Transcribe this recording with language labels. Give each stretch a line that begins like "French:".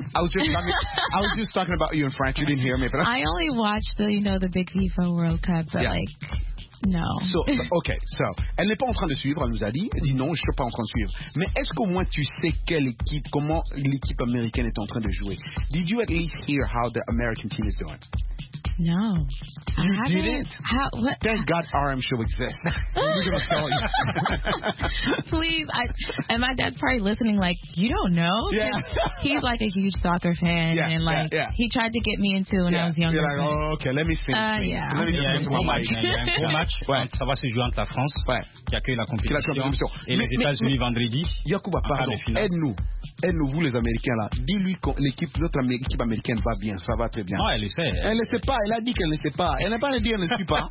English: I was just talking about you in French. You didn't hear me, but I only watched the big FIFA World Cup, but No.
French: So, elle n'est pas en train de suivre, elle nous a dit. Elle dit non, je ne suis pas en train de suivre. Mais est-ce qu'au moins tu sais comment l'équipe américaine est en train de jouer?
English: Did you at least hear how the American team is doing? No. You didn't? What? Thank God RM Show exists. We're going to tell you. Please. And my dad's probably listening like, you don't know? Yeah. He's like a huge soccer fan. Yeah, and like, he tried to get me into when I was younger. You're like, oh, okay, let me see. Match.
French: Ça va se jouer entre la France qui accueille la compétition. Et les États-Unis vendredi. Yacouba, pardon, aide-nous. Aide-nous, vous les Américains là. Dis-lui que notre équipe américaine va bien. Ça va très bien. Non, elle sait. Elle ne sait pas. Elle a dit qu'elle ne sait pas. Elle n'a pas dit qu'elle ne suit pas.